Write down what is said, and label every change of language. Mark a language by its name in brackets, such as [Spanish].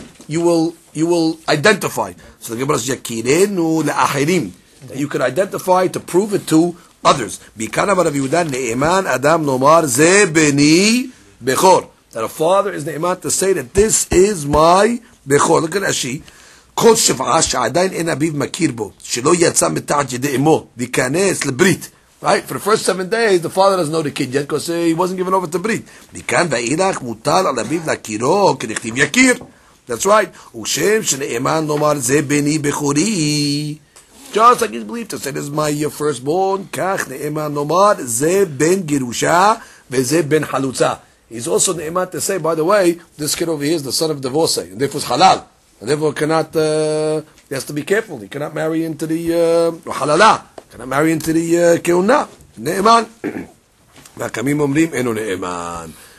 [English] You will identify. So the Gemara says, [Hebrew] "Yakirenu le'achirim." [English] You can identify to prove it to others. [Hebrew] Adam lomar ze beni bechor. [English] That a father is ne'eman to say that this is my bechor. Look at Ashi. [Hebrew] כל שבעה שעדיין אין אביו מכיר בו, שלא יצא מתחת ידי אמו, להיכנס לברית. [English] Right? For the first 7 days, the father doesn't know the kid yet because he wasn't given over to brit. [Hebrew] מכאן ואילך מותר על אביו להכירו כנכתיב יכיר. [English] That's right. [Hebrew] ושם שנאמן לומר זה בני בחורי. [English] Just like his belief to say this is my year firstborn. [Hebrew] כך נאמן לומר זה בן גירושה וזה בן חלוצה. [English] He's also נאמן to say, by the way, this kid over here is the son of divorce. And if it was halal. And therefore cannot, he has to be careful. He cannot marry into the halala. Can I marry into the keuna? Ne'eman. [Hebrew] Hakamim omrim enu ne'eman.